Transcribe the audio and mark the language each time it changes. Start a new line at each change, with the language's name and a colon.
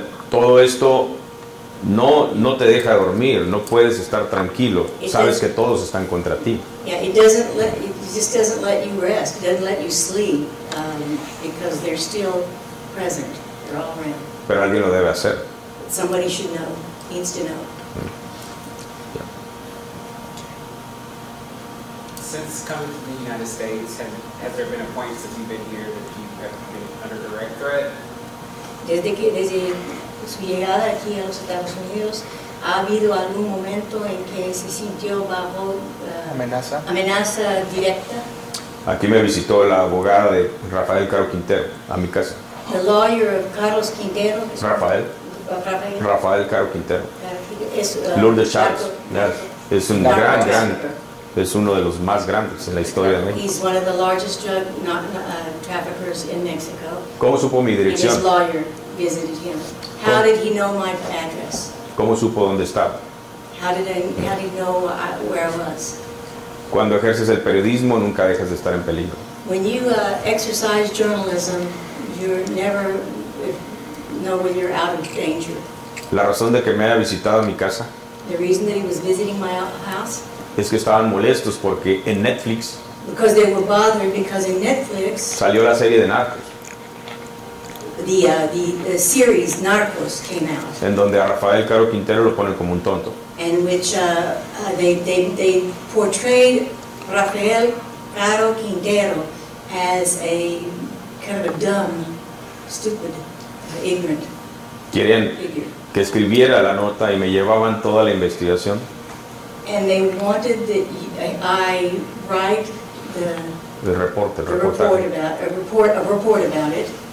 Spanish: Todo esto no te deja dormir, no puedes estar tranquilo. Sabes que todos están contra ti.
English: Yeah, it just doesn't let you rest. It doesn't let you sleep because they're still present. They're all around.
Spanish: Pero alguien lo debe hacer.
English: Somebody should know. Needs to know. Yeah. Since coming to the United States, have there been a point since you've been here that you have been under direct threat?
Spanish: Desde su llegada aquí a los Estados Unidos, ¿ha habido algún momento en que se sintió bajo amenaza directa? Aquí me visitó la abogada de Rafael Caro Quintero a mi casa.
English: The lawyer of Carlos Quintero. Rafael. Rafael
Spanish: Caro Quintero. Lourdes Chávez.
English: Yes.
Spanish: Es un gran. Es uno de los más grandes en la historia de México.
English: He's one of the largest drug traffickers in Mexico.
Spanish: ¿Cómo supo mi dirección?
English: And his lawyer visited him. How did he know my address?
Spanish: ¿Cómo supo dónde estaba?
English: How did he know where I was?
Spanish: Cuando ejerces el periodismo, nunca dejas de estar en peligro.
English: When you exercise journalism, you never know when you're out of danger.
Spanish: La razón de que me haya visitado a mi casa.
English: The reason that he was visiting my house.
Spanish: Es que estaban molestos porque en Netflix.
English: Because they were bothered because in Netflix.
Spanish: Salió la serie de Narcos.
English: The series Narcos came out.
Spanish: En donde a Rafael Caro Quintero lo ponen como un tonto.
English: In which they portrayed Rafael Caro Quintero as a kind of a dumb, stupid, ignorant.
Spanish: Querían que escribiera la nota y me llevaban toda la investigación.
English: And they wanted that I write a report about it.